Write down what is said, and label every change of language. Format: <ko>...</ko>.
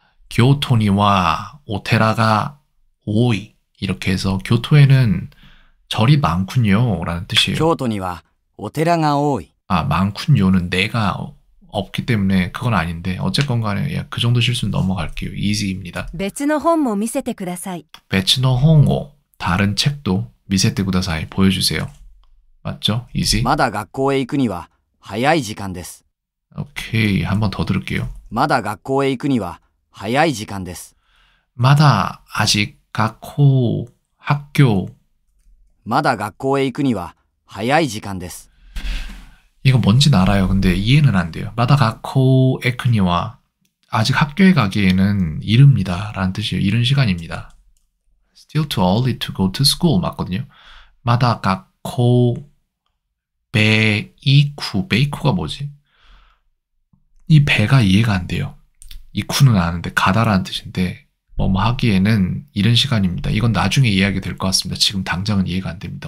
<ja>교토니와 오테라가 오이</ja> <ko>이렇게 해서 교토에는 절이 많군요 라는 뜻이에요.</ko> <ja>교토니와 오테라가 오이.</ja> <ko>아 많군요는 내가 없기 때문에 그건 아닌데 어쨌건 간에 야, 그 정도 실수는 넘어갈게요. easy입니다.</ko> <ja>別の本も見せてください。別の本を</ja> <ko>다른 책도</ko> <ja>미세테 구다사이</ja> <ko>보여주세요. 맞죠? easy.</ko> <ja>まだ学校へ行くには早い時間です.</ja> <ko>오케이, 한 번 더 들을게요.</ko> <ja>まだ学校へ行くには早い時間です.</ja> <ko>마다 아직 가코 학교.</ko> <ja>まだ学校へ行くには早い時間です.</ja> <ko>이거 뭔지 알아요. 근데 이해는 안 돼요. 마다 가코에 크니와 아직 학교에 가기에는 이릅니다. 라는 뜻이에요. 이른 시간입니다.</ko> <en>Still too early to go to school</en> <ko>맞거든요. 마다 가코 베이쿠가 뭐지? 이 배가 이해가 안 돼요. 이쿠는 아는데 가다라는 뜻인데 뭐 하기에는 이른 시간입니다. 이건 나중에 이해하게 될 것 같습니다. 지금 당장은 이해가 안 됩니다.</ko>